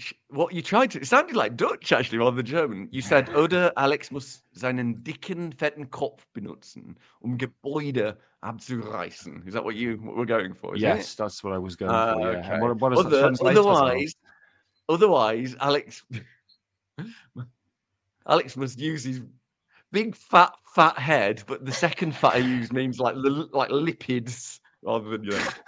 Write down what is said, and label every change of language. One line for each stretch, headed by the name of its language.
English: What you tried to, it sounded like Dutch actually rather than German. You said
German: Oder Alex muss seinen dicken fetten Kopf benutzen, Gebäude abzureißen.
English: Is that what we're going for? Yes, it? That's what I was going for. Yeah. Okay. What is otherwise, Alex, Alex must use his big fat head, but the second fat he used means like lipids rather than, you know.